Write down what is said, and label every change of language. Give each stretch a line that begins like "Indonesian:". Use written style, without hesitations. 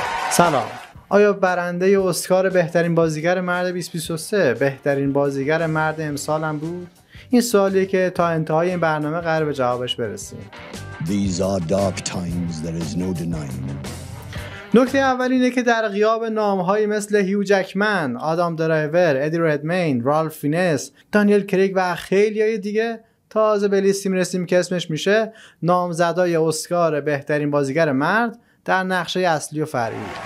Persian: سلام، آیا برنده اسکار بهترین بازیگر مرد 2023 بهترین بازیگر مرد امسال هم بود؟ این سوالیه که تا انتهای این برنامه قرار به جوابش برسیم.
English: These are dark times, there is no denying.
Persian: نکته اول اینه که در غیاب نام‌هایی مثل هیو جکمن، آدام درایور، ادی ردمین، رالف فینس، دانیل کریگ و خیلی های دیگه تازه به لیستی میرسیم که اسمش میشه نامزدای اسکار بهترین بازیگر مرد در نقشه اصلی و فرعی.